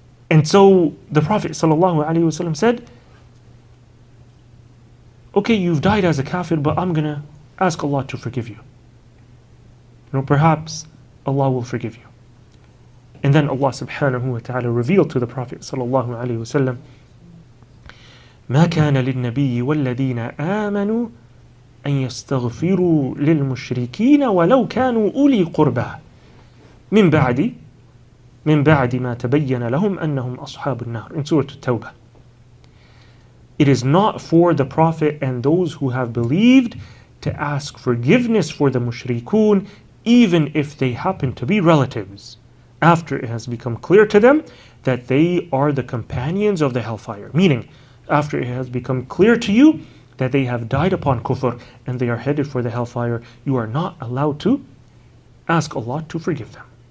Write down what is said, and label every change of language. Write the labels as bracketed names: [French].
[English] And so the Prophet ﷺ said, okay, you've died as a kafir, but I'm going to ask Allah to forgive you. You know, perhaps Allah will forgive you. And then Allah subhanahu wa ta'ala revealed to the Prophet sallallahu alayhi wa sallam, [Arabic] مَا كَانَ لِلْنَبِيِّ وَالَّذِينَ آمَنُوا أَن يَسْتَغْفِرُوا لِلْمُشْرِكِينَ وَلَوْ كَانُوا أُولِي قُرْبَى مِنْ بَعْدِ مَا تَبَيَّنَ لَهُمْ أَنَّهُمْ أَصْحَابُ النَّارِ [English] in Surah At-Tawbah. It is not for the Prophet and those who have believed to ask forgiveness for the mushrikun, even if they happen to be relatives, after it has become clear to them that they are the companions of the hellfire. Meaning, after it has become clear to you that they have died upon kufr and they are headed for the hellfire, you are not allowed to ask Allah to forgive them.